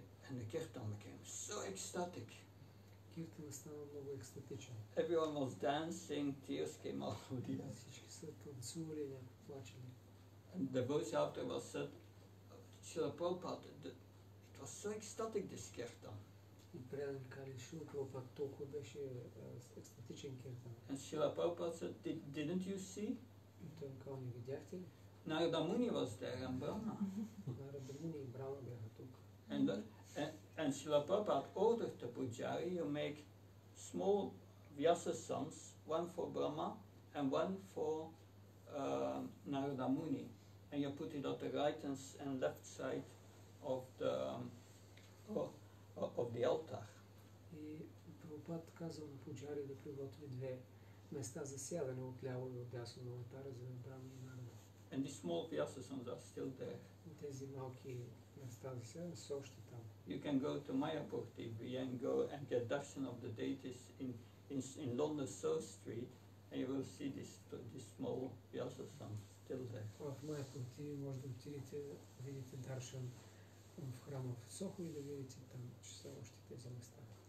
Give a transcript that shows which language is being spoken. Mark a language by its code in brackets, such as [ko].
[en] And the kirtan became so ecstatic. [bg] Кирtan стана много екстатичен. [en] Everyone was dancing, tears came out of the eyes. [bg] Всички се танцували, плачели. [en] And the voice after was said, Srila Prabhupada, it was so ecstatic this kirtan. [bg] И предали кали Шрила Прабхупада, толкова беше екстатичен кирtan. [en] And Srila Prabhupada said, didn't you see? [bg] Той ми казва, не видяхте ли? [en] Нарада Муни was there and Брахма. [bg] Нарада Муни и Брахма бяха тук. [en] And Srila Prabhupada ordered the pujari, you make small Vyasa sons, one for Brahma and one for Nārada Muni. And you put it on the right and left side of the altar. [bg] И Прабхупада казва на пуджари да приготви две места за сядане от ляво и от дясно на алтара за Брахма и Нарада. [en] And the small Vyasasams are still there. [bg] Тези малки места за сядане са още там. [en] You can go to Mayapur TV and go and get darshan of the deities in London Sow Street and you will see this small Vyasasams still there. [bg] В Mayapur TV може да отидете, видите даршан в храма в Сохо и да видите там, че са още тези места.